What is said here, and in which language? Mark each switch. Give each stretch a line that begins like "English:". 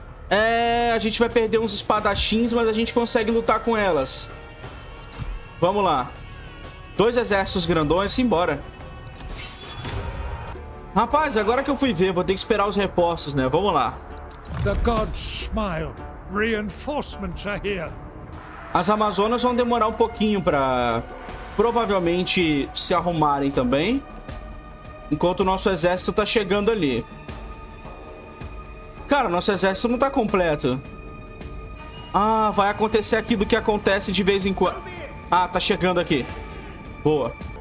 Portuguese: É, a gente vai perder uns espadachins, mas a gente consegue lutar com elas. Vamos lá. Dois exércitos grandões, simbora. Rapaz, agora que eu fui ver, vou ter que esperar os reforços, né? Vamos lá.
English: The gods smile. Reinforcements are here.
Portuguese: As Amazonas vão demorar um pouquinho pra provavelmente se arrumarem também. Enquanto o nosso exército tá chegando ali. Cara, nosso exército não tá completo. Ah, vai acontecer aquilo que acontece de vez em quando. Ah, tá chegando aqui. Boa.